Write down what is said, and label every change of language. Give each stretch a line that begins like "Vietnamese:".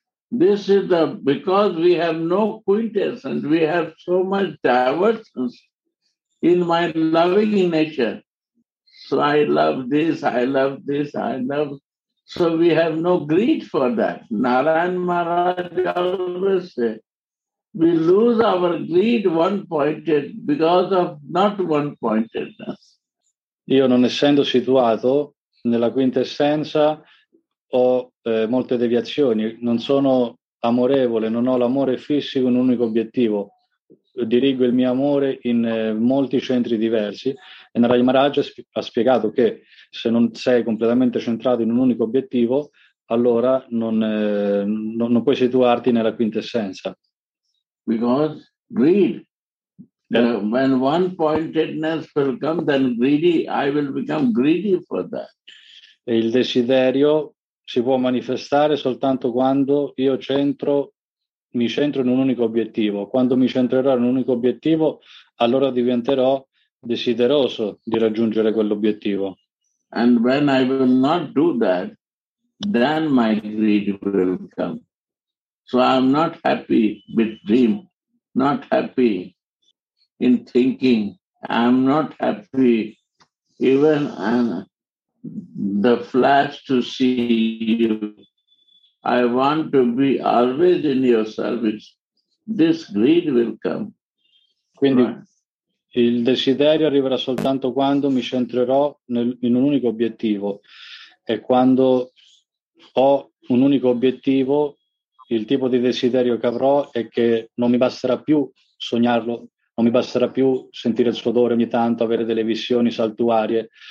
English: This is the, because we have no quintessence, we have so much divergence in my loving nature. So I love this, I love this, I love. So we have no greed for that. Narayan Maharaj always say, we lose our greed one-pointed because of not one-pointedness.
Italian: Io non essendo situato nella quintessenza ho molte deviazioni. Non sono amorevole, non ho l'amore fisso in un unico obiettivo. Dirigo il mio amore in molti centri diversi. E Narayan Maharaj ha spiegato che se non sei completamente centrato in un unico obiettivo, allora non puoi situarti nella quintessenza.
English: Because greed. Yeah. When one pointedness will come, then greedy, I will become greedy for that.
Italian: E il desiderio si può manifestare soltanto quando io mi centro in un unico obiettivo. Quando mi centrerò in un unico obiettivo, allora diventerò desideroso di raggiungere quell'obiettivo.
English: And when I will not do that, then my greed will come. So I am not happy with dream, not happy in thinking. I am not happy even in the flash to see you. I want to be always in your service. This greed will come.
Italian: Quindi il desiderio arriverà soltanto quando mi centrerò in un unico obiettivo. E quando ho un unico obiettivo, il tipo di desiderio che avrò è che non mi basterà più sognarlo, non mi basterà più sentire il suo odore ogni tanto, avere delle visioni saltuarie.